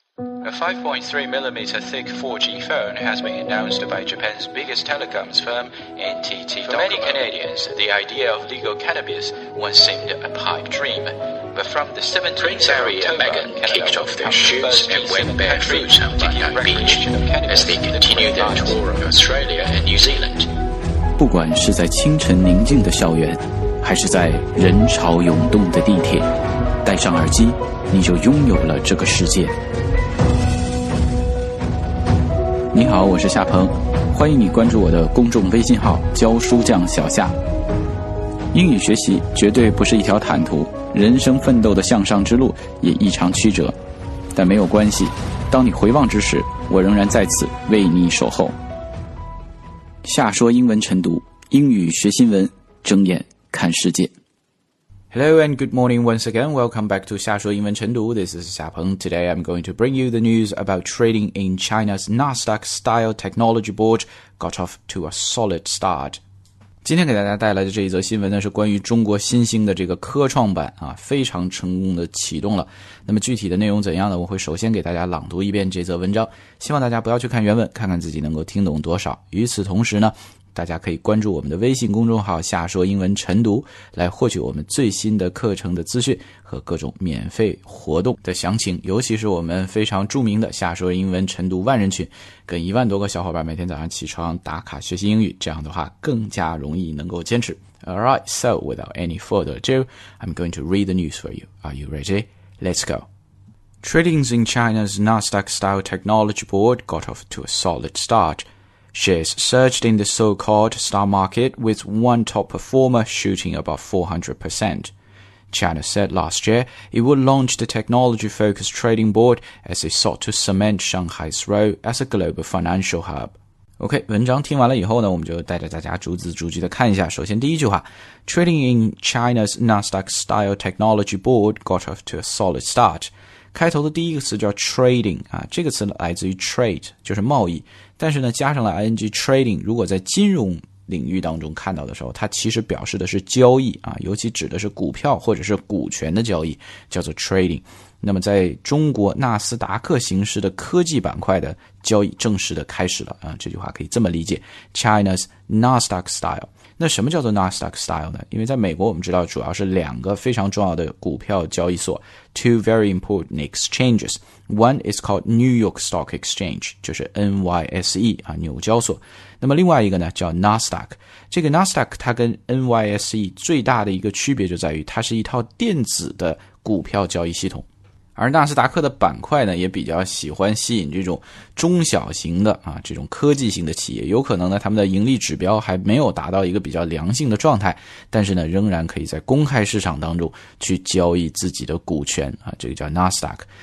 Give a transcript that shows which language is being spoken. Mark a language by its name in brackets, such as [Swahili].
[English] A 5.3mm thick 4G phone has been announced by Japan's biggest telecoms firm, NTT Docomo. For many Canadians, the idea of legal cannabis once seemed a pipe dream. But from the 17th Prince Harry October, and Meghan kicked off their shoots and went barefoot on the unknown beach as they continued their tour of Australia and New Zealand. [Chinese] 不管是在清晨宁静的校园，还是在人潮涌动的地铁，戴上耳机，你就拥有了这个世界。你好，我是夏鹏，欢迎你关注我的公众微信号教书匠小夏。英语学习绝对不是一条坦途，人生奋斗的向上之路也异常曲折，但没有关系，当你回望之时，我仍然在此为你守候。夏说英文晨读，英语学新闻，睁眼看世界。 [English] Hello and good morning once again. Welcome back to 夏说英文晨读. This is 夏鹏. Today I'm going to bring you the news about trading in China's Nasdaq-style technology board got off to a solid start. [Chinese] 今天给大家带来的这一则新闻呢，是关于中国新兴的这个科创板啊，非常成功的启动了。那么具体的内容怎样呢？我会首先给大家朗读一遍这则文章，希望大家不要去看原文，看看自己能够听懂多少。与此同时呢，大家可以关注我们的微信公众号夏说英文晨读，来获取我们最新的课程的资讯和各种免费活动的详情，尤其是我们非常著名的夏说英文晨读万人群，跟10000多个小伙伴每天早上起床打卡学习英语，这样的话更加容易能够坚持。 [English] Alright, so without any further ado, I'm going to read the news for you. Are you ready? Let's go. Trading in China's Nasdaq-style technology board got off to a solid start. Shares surged in the so-called stock market, with one top performer shooting above 400%. China said last year it would launch the technology-focused trading board as it sought to cement Shanghai's role as a global financial hub. [Chinese] OK, 文章听完了以后呢，我们就带着大家逐字逐句的看一下。首先第一句话， [English] Trading in China's Nasdaq-style technology board got off to a solid start. [Chinese] 开头的第一个词叫 trading, 啊，这个词来自于 trade, 就是贸易。但是呢加上了 ing trading, 如果在金融领域当中看到的时候，它其实表示的是交易啊，尤其指的是股票或者是股权的交易，叫做 trading。那么在中国纳斯达克形式的科技板块的交易正式的开始了啊，这句话可以这么理解。 China's Nasdaq style。 那什么叫做 Nasdaq style 呢？因为在美国我们知道主要是两个非常重要的股票交易所， [English] two very important exchanges. One is called New York Stock Exchange, 就是 NYSE, 啊， [Chinese] 纽交所。那么另外一个呢叫 Nasdaq。这个 Nasdaq 它跟 NYSE 最大的一个区别就在于它是一套电子的股票交易系统。而纳斯达克的板块呢也比较喜欢吸引这种中小型的啊这种科技型的企业，有可能呢他们的盈利指标还没有达到一个比较良性的状态，但是呢仍然可以在公开市场当中去交易自己的股权啊，这个叫 Nasdaq。